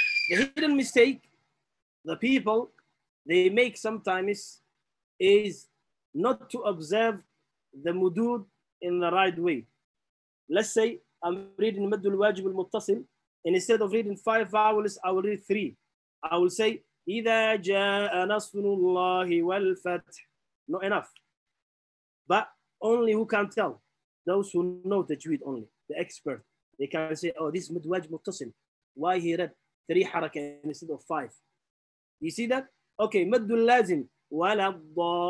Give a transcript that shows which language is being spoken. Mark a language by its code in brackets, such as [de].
[en] The hidden mistake the people they make sometimes is not to observe the mudud in the right way. Let's say I'm reading maddul wajib al muttasil, and instead of reading 5 vowels, I will read 3. I will say [ar] إذا جاء نصر الله والفتح. [en] Not enough. But only who can tell, those who know the tajweed only, the expert, they can say, oh, this maddul wajib al muttasil. Why he read 3 haraka instead of 5. You see that? [ar] Okay, مد اللازم ولا الضالين.